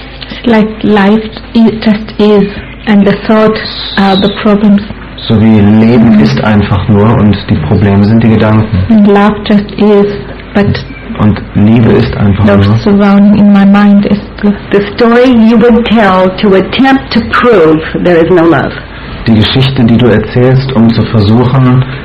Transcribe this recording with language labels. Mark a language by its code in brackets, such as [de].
[en] It's like life just is, and the thoughts are the problems. [de] So wie Leben ist einfach nur und die Probleme sind die Gedanken. [en] And love just is, but [de] und Liebe ist einfach [en] love [de] nur. [en] Surrounding in my mind is the story you would tell to attempt to prove there is no love. [de] Die Geschichte, die du erzählst, um zu versuchen,